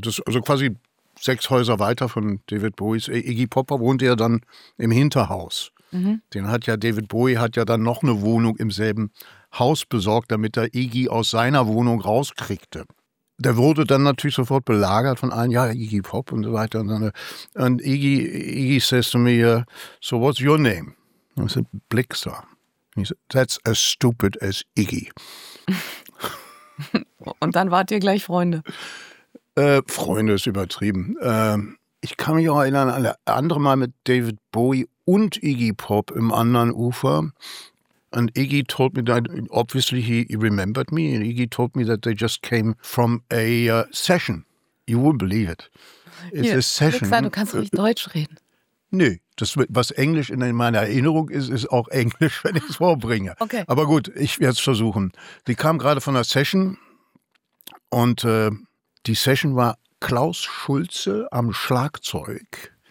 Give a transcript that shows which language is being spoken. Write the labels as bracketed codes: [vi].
[de] Das, also quasi 6 Häuser weiter von David Bowies. Iggy Popper wohnt ja dann im Hinterhaus. Mhm. David Bowie hat ja dann noch eine Wohnung im selben Haus besorgt, damit er Iggy aus seiner Wohnung rauskriegte. Der wurde dann natürlich sofort belagert von allen, ja, Iggy Pop und so weiter. [en] Und Iggy says to me, so what's your name? I said, Blixer. He said, that's as stupid as Iggy. [de] Und dann wart ihr gleich Freunde? Freunde ist übertrieben. Ich kann mich auch erinnern an das andere Mal mit David Bowie und Iggy Pop im anderen Ufer. [en] And Iggy told me that, obviously he remembered me, and Iggy told me that they just came from a session. You won't believe it. It's [de] hier, [en] a session. [de] Sagen, du kannst nicht Deutsch reden. Nee, das, was Englisch in meiner Erinnerung ist, ist auch Englisch, wenn ich es vorbringe. Okay. Aber gut, ich werde es versuchen. Die kam gerade von einer Session und die Session war Klaus Schulze am Schlagzeug.